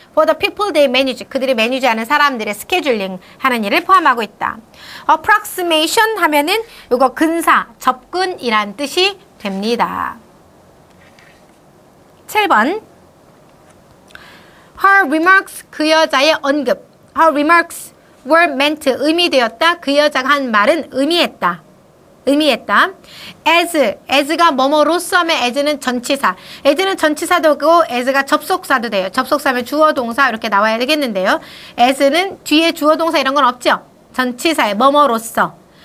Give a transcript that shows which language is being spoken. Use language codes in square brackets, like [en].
[en] for the people they manage, [ko] 그들이 매니지하는 사람들의 스케줄링 하는 일을 포함하고 있다. Approximation 하면은 이거 근사, 접근이란 뜻이 됩니다. 7번. [en] Her remarks, [ko] 그 여자의 언급. [en] Her remarks were meant, [ko] 의미되었다. 그 여자가 한 말은 의미했다. 의미했다. As가 뭐뭐로서 하면 as는 전치사. as는 전치사도 있고 as가 접속사도 돼요. 접속사면 주어동사 이렇게 나와야 되겠는데요. as는 뒤에 주어동사 이런 건 없죠. 전치사의 뭐뭐로서.